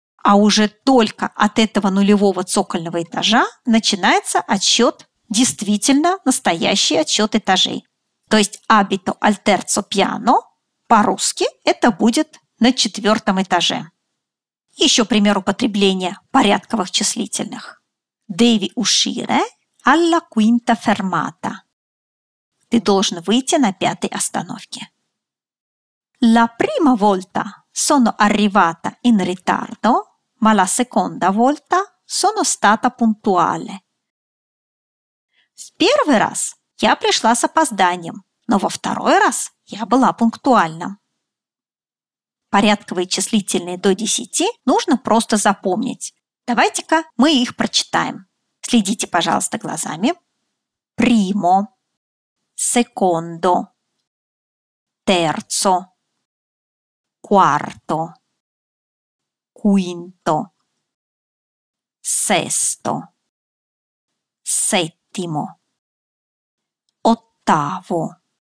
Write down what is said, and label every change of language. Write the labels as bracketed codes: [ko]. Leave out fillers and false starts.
[ru] А уже только от этого нулевого цокольного этажа начинается отсчет, действительно настоящий отсчет этажей. То есть [it] abito al terzo piano [ru] по-русски это будет на четвертом этаже. Еще пример употребления порядковых числительных. [it] Devi uscire alla quinta fermata. [ru] Ты должен выйти на пятой остановке. [it] La prima volta sono arrivata in ritardo, ma la seconda volta sono stata puntuale. [ru] В первый раз я пришла с опозданием. Но во второй раз я была пунктуальна. Порядковые числительные до 10 нужно просто запомнить. Давайте-ка мы их прочитаем. Следите, пожалуйста, глазами. [it] Primo, secondo, terzo, quarto, quinto, sesto, settimo, ottavo.